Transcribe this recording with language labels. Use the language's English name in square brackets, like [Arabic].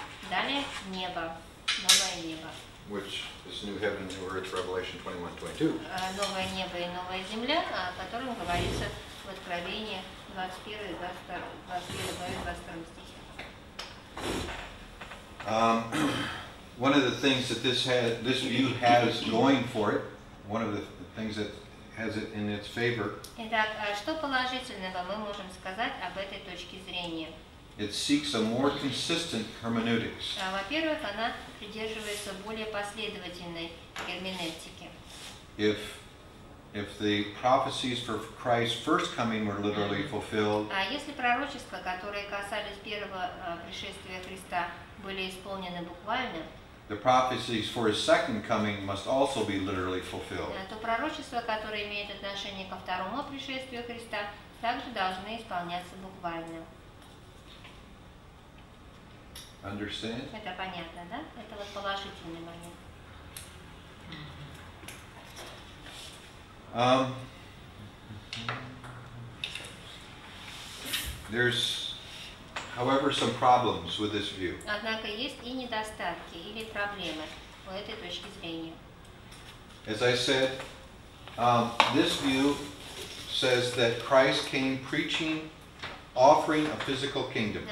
[Russian] Далее небо, новое небо. [English] Which is new heaven, new earth, Revelation 21:22. [Russian] Новое небо и новая земля, о котором говорится в Откровении 21:22 стихе. [English] One of the things that this view has going for it, one of the things that has it in its favor. [Russian] Итак, что положительного мы можем сказать об этой точке зрения? [English] It seeks a more consistent hermeneutics. [Russian] Во-первых, она придерживается более последовательной герменевтики. [English] If the prophecies for Christ's first coming were literally fulfilled, [Russian] а если пророчества, которые касались первого пришествия Христа, были исполнены буквально, [English] the prophecies for his second coming must also be literally fulfilled. [Russian] То пророчество, которое имеет отношение ко второму пришествию Христа, также должны исполняться буквально. [English] Understand? [Russian] Это понятно, да? Это вот положительный момент. [English] There's, however, some problems with this view. [Russian] Однако есть и недостатки или проблемы у этой точки зрения. [English] As I said, this view says that Christ came preaching, offering a physical kingdom.